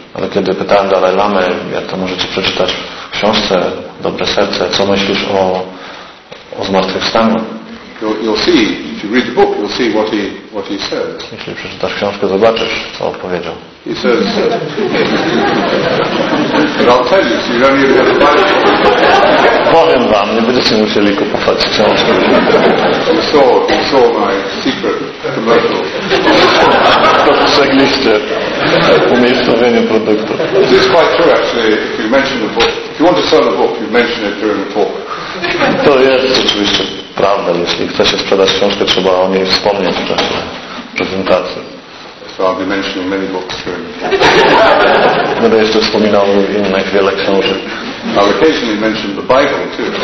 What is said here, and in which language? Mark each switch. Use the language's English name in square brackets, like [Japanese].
[Polish] Ale kiedy pytałem Dalai Lamę, jak to możecie przeczytać w książce Dobre Serce, co myślisz o zmartwychwstaniu? [English] You'll see, if you read the book, you'll see what he says. [Polish] Jeśli przeczytasz książkę, zobaczysz, co odpowiedział. [English] He says, but I'll tell you, so you don't even have to buy it. [Polish] Powiem wam, nie będziecie musieli kupować książki. [English] You saw my secret commercial. [Polish] Dostrzegliście umiejscowienie produktu. [English] It's quite true, actually, if you mention the book, if you want to sell the book, you mention it during the talk. [Polish] To jest oczywiście prawda. Jeśli chce się sprzedać książkę, trzeba o niej wspomnieć w czasie prezentacji. [English] So I'll be mentioning many books during the talk. [Polish] Będę jeszcze wspominał innych wiele książek. [English] I'll occasionally mention the Bible too.